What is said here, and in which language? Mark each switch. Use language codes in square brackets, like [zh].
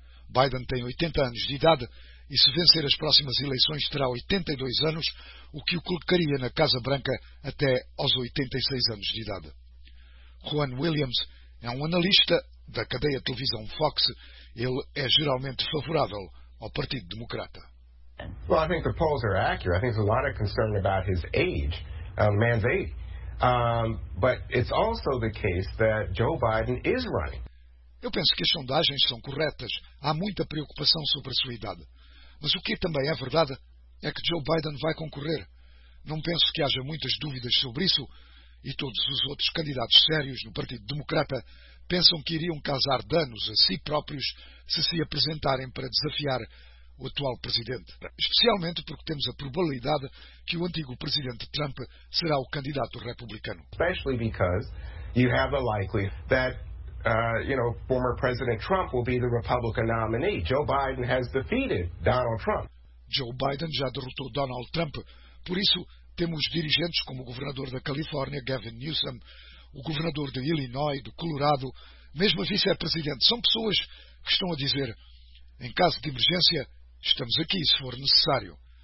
[pt] Biden tem 80 anos de idade e, se vencer as próximas eleições, terá 82 anos, o que o colocaria na Casa Branca até aos 86 anos de idade. Juan Williams é um analista da cadeia de televisão Fox. Ele é geralmente favorável ao Partido Democrata. [en] Well, I think the polls are accurate. I think there's a lot of concern about his age, man's age. But it's also the case that Joe Biden is running. [pt] Eu penso que as sondagens são corretas. Há muita preocupação sobre a sua idade. Mas o que também é verdade é que Joe Biden vai concorrer. Não penso que haja muitas dúvidas sobre isso, e todos os outros candidatos sérios no Partido Democrata pensam que iriam causar danos a si próprios se se apresentarem para desafiar o atual presidente. Especialmente porque temos a probabilidade que o antigo presidente Trump será o candidato republicano. [en] Especially because you have the likelihood that former President Trump will be the Republican nominee. Joe Biden has defeated Donald Trump. [pt] Joe Biden já derrotou Donald Trump. Por isso, temos dirigentes como o governador da Califórnia, Gavin Newsom, o governador de Illinois, do Colorado, mesmo a vice-presidente. São pessoas que estão a dizer: em caso de emergência, estamos aqui se for necessário.